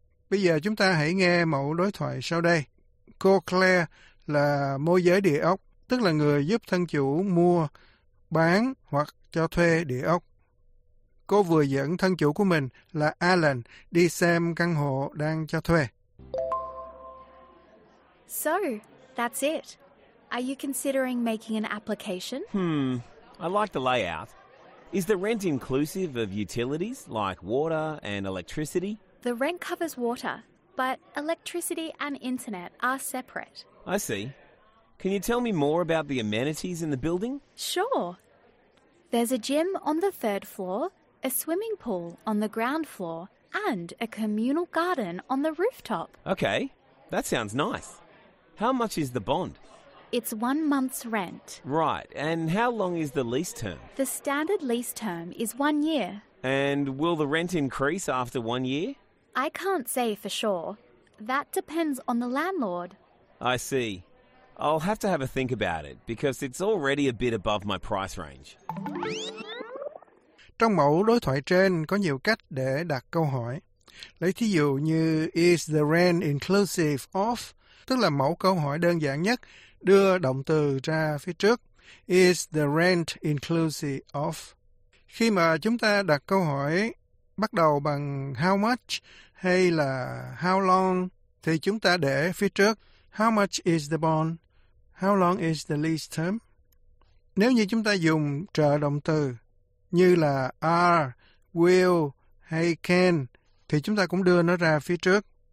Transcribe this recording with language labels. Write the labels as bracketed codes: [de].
[vi] Bây giờ chúng ta hãy nghe mẫu đối thoại sau đây. Cô Claire là môi giới địa ốc, tức là người giúp thân chủ mua, bán hoặc cho thuê địa ốc. Cô vừa dẫn thân chủ của mình là Alan đi xem căn hộ đang cho thuê. [en] So, that's it. Are you considering making an application? I like the layout. Is the rent inclusive of utilities like water and electricity? The rent covers water, but electricity and internet are separate. I see. Can you tell me more about the amenities in the building? Sure. There's a gym on the third floor, a swimming pool on the ground floor, and a communal garden on the rooftop. Okay, that sounds nice. How much is the bond? It's 1 month's rent. Right, and how long is the lease term? The standard lease term is 1 year. And will the rent increase after 1 year? I can't say for sure. That depends on the landlord. I see. I'll have to have a think about it, because it's already a bit above my price range. [vi] Trong mẫu đối thoại trên có nhiều cách để đặt câu hỏi. Lấy thí dụ như [en] is the rent inclusive of, [vi] tức là mẫu câu hỏi đơn giản nhất, đưa động từ ra phía trước. [en] Is the rent inclusive of? [vi] Khi mà chúng ta đặt câu hỏi bắt đầu bằng [en] how much [vi] hay là [en] how long, [vi] thì chúng ta để phía trước [en] how much is the bond, how long is the lease term. [vi] Nếu như chúng ta dùng trợ động từ như là are, will hay can, thì chúng ta cũng đưa nó ra phía trước.